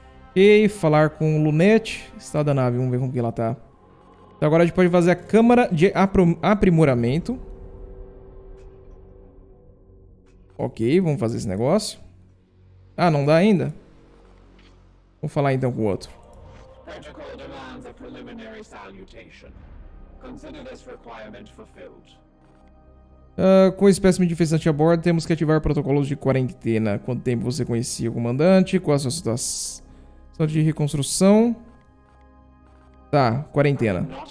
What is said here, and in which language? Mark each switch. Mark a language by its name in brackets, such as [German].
[Portuguese] Ok, falar com o Lunete. Estado da nave, vamos ver como que ela tá. Então agora a gente pode fazer a câmara de aprimoramento. Ok, vamos fazer esse negócio. Ah, não dá ainda? Vamos falar então com o outro. [English] Protocol demands a preliminary salutation. Consider this requirement fulfilled. [Portuguese] Com o espécime de infestante a bordo, temos que ativar protocolos de quarentena. Quanto tempo você conhecia o comandante? Qual a sua situação de reconstrução? Tá, quarentena.